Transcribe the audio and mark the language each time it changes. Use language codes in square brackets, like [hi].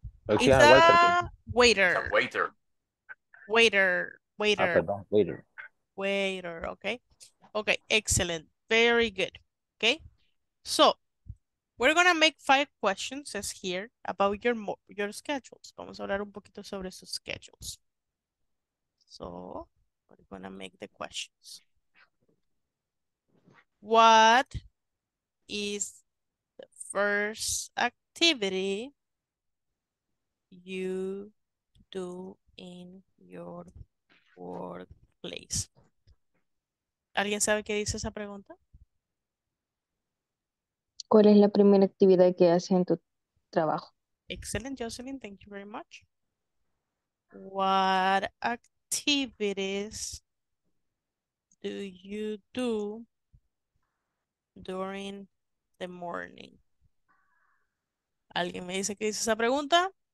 [en] Okay, he's a waiter. Waiter. Waiter. Waiter. Ah, waiter. Waiter, okay. Okay, excellent. Very good. Okay, so... we're gonna make 5 questions as here about your schedules. [es] Vamos a hablar un poquito sobre sus schedules. [en] So, we're gonna make the questions. What is the first activity you do in your workplace? [es] ¿Alguien sabe qué dice esa pregunta? ¿Cuál es la primera actividad que haces en tu trabajo? [en] Excellent, Jocelyn. Thank you very much. What activities do you do during the morning? [es] ¿Alguien me dice qué dice esa pregunta?